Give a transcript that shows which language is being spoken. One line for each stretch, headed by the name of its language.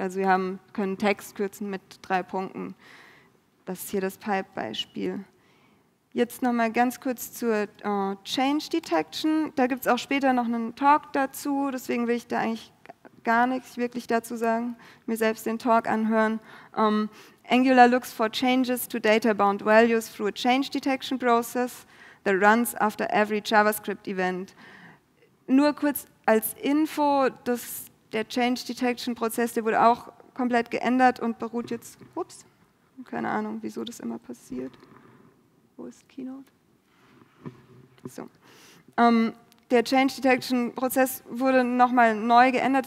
German: Also wir können Text kürzen mit 3 Punkten. Das ist hier das Pipe-Beispiel. Jetzt nochmal ganz kurz zur Change Detection. Da gibt es auch später noch einen Talk dazu, deswegen will ich da eigentlich gar nichts wirklich dazu sagen, mir selbst den Talk anhören.
English: Angular looks for changes to data-bound values through a Change Detection process that runs after every JavaScript event.
German: Nur kurz als Info, der Change Detection Prozess, der wurde auch komplett geändert und beruht jetzt, ups, keine Ahnung, wieso das immer passiert. Wo ist Keynote? So. Der Change Detection Prozess wurde nochmal neu geändert.